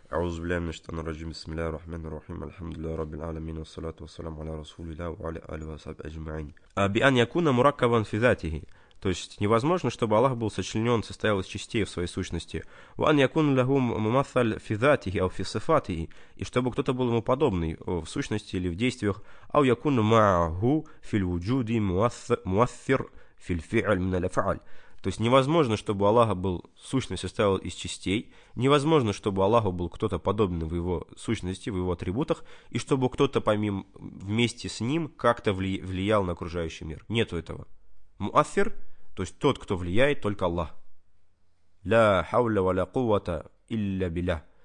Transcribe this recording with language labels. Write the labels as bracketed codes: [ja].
[ar] أعوذ بالله من الشيطان الرجيم، بسم الله الرحمن الرحيم، الحمد لله رب العالمين، والصلاة والسلام على رسول الله وعلى آله وصحبه أجمعين. بأن يكون مركبا في ذاته، [ru] то есть невозможно, чтобы Аллах был сочленен, состоял из частей в своей сущности. [ar] وأن يكون له ممثل في ذاته أو في صفاته، [ru] и чтобы кто-то был ему подобный в сущности или в действиях. [ar] أو يكون معه في الوجود مؤثر في الفعل من الأفعال. [ru] То есть невозможно, чтобы Аллах был сущность состоял из частей, невозможно, чтобы Аллаху был кто-то подобный в его сущности, в его атрибутах, и чтобы кто-то помимо вместе с ним как-то влиял на окружающий мир. Нету этого. Муаффир, то есть тот, кто влияет, только Аллах. [ar] Ля хауля валя кувата илля биля.